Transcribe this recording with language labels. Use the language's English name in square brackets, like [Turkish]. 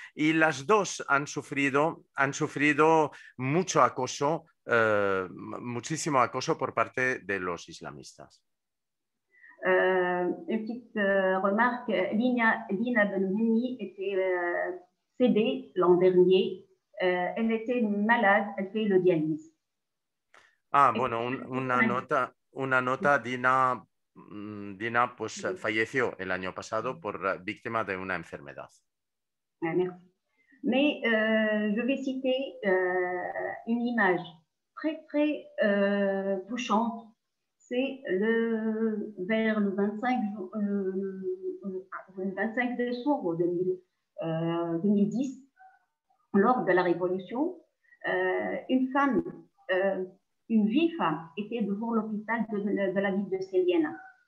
[Spanish] Y las dos han sufrido mucho acoso, muchísimo acoso por parte de los islamistas. [French] Une petite remarque, Lina Benhamni était cédée l'an dernier, elle était malade, elle fait le dialyse. [Spanish] Ah, et bueno, una nota, Dina pues, oui. Falleció el año pasado por víctima de una enfermedad. [French] Merci. Mais je vais citer une image très, très touchante. C'est vers le 25 décembre 2010, lors de la révolution, une femme, une vieille femme, était devant l'hôpital de la ville de Célienne.